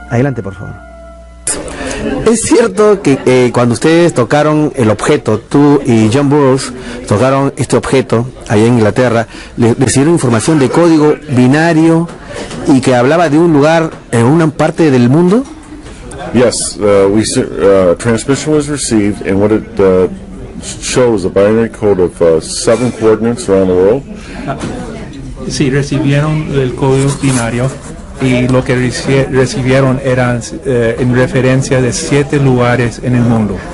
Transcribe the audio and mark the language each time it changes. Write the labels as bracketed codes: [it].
[es] Adelante, por favor. Es cierto que cuando ustedes tocaron el objeto, tú y John Burroughs tocaron este objeto allá en Inglaterra, recibieron información de código binario y que hablaba de un lugar en una parte del mundo. [en] Yes, transmission was received, and what it shows a binary code of 7 coordinates around the world. [es] Sí, recibieron el código binario y lo que recibieron eran en referencia de 7 lugares en el mundo.